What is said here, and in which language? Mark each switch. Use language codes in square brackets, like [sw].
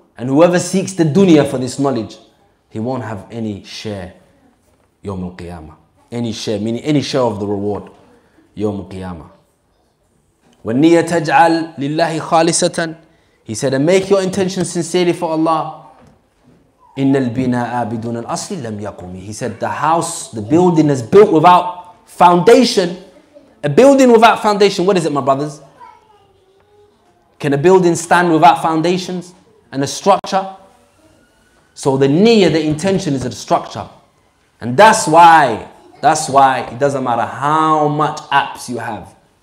[en] And whoever seeks the dunya for this knowledge, he won't have any share [ar] يوم القيامة. [en] Any share, meaning any share of the reward [ar] يوم القيامة. والنية تجعل لله خالصة. [en] He said, and make your intention sincerely for Allah. [ar] إن البناء بدون الأصل لم يقوم. [en] He said, the house, the building is built without foundation. A building without foundation, what is it, my brothers? Can a building stand without foundations and a structure? So the niyyah, the intention, is a structure. And that's why it doesn't matter how much apps you have.